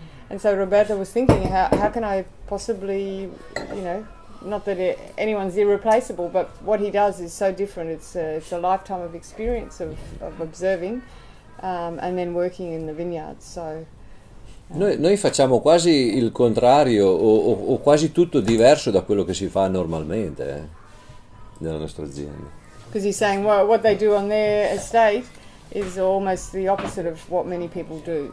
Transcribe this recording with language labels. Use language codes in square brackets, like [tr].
[en] And so Roberto was thinking, how can I possibly, you know, not that anyone's irreplaceable, but what he does is so different. It's a lifetime of experience of observing, and then working in the vineyard. So. [it] Noi facciamo quasi il contrario o quasi tutto diverso da quello che si fa normalmente nella nostra azienda. [en] Because he's saying, well, what they do on their estate is almost the opposite of what many people do.